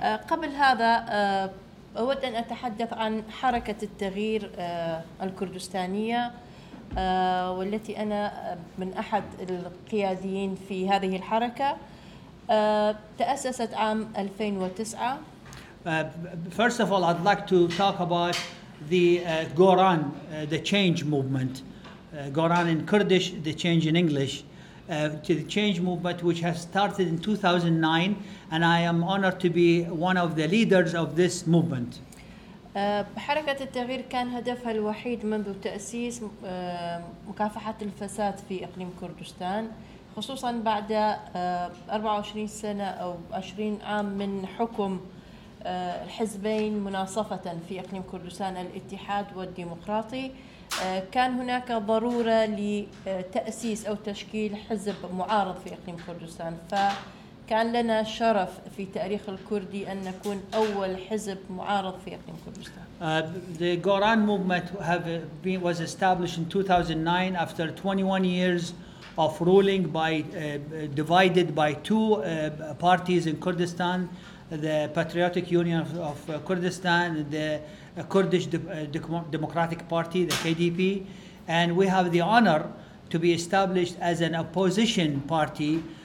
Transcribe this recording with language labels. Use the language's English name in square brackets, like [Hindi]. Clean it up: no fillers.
[Arabic] قبل هذا اود ان اتحدث عن حركه التغيير الكردستانيه والتي انا من احد القياديين في هذه الحركه. تأسست عام 2009. [English] First of all, I'd like to talk about the Goran, the change movement. Goran in Kurdish, the change in English. To the change movement which has started in 2009 and I am honored to be one of the leaders of this movement. [Arabic] حركة التغيير كان هدفها الوحيد منذ تأسيس مكافحة الفساد في إقليم كردستان. خصوصا بعد 24 سنة أو 20 عام من حكم الحزبين مناصفة في إقليم كردستان الاتحاد والديمقراطي كان هناك ضرورة لتأسيس أو تشكيل حزب معارض في إقليم كردستان فكان لنا شرف في تاريخ الكردي أن نكون أول حزب معارض في إقليم كردستان. [English] The Goran movement was established in 2009 after 21 years of ruling by divided by two parties in Kurdistan, the Patriotic Union of Kurdistan, the Kurdish Democratic Party, the KDP, and we have the honor to be established as an opposition party.